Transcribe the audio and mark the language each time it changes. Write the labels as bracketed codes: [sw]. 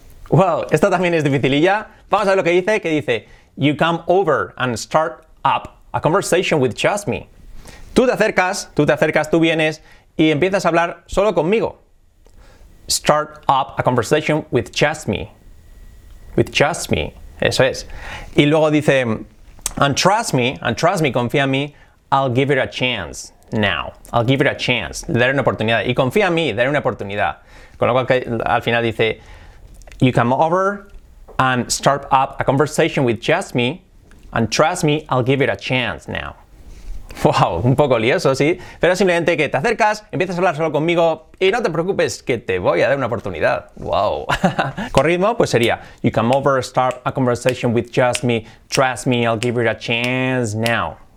[es] Wow, esta también es dificililla. Vamos a ver lo que dice, que dice, [en] you come over and start up a conversation with just me. [es] Tú te acercas, tú vienes y empiezas a hablar solo conmigo. [en] Start up a conversation with just me. With just me. [es] Eso es. Y luego dice, [en] and trust me, [es] confía en mí, [en] I'll give it a chance now. I'll give it a chance. [es] Le daré una oportunidad. Y confía en mí, daré una oportunidad. Con lo cual, que al final dice, [en] you come over and start up a conversation with just me, and trust me, I'll give it a chance now. [es] Wow, un poco lioso, sí. Pero simplemente que te acercas, empiezas a hablar solo conmigo y no te preocupes que te voy a dar una oportunidad. Wow. Con ritmo, pues sería, [en] you come over, start a conversation with just me, trust me, I'll give it a chance now.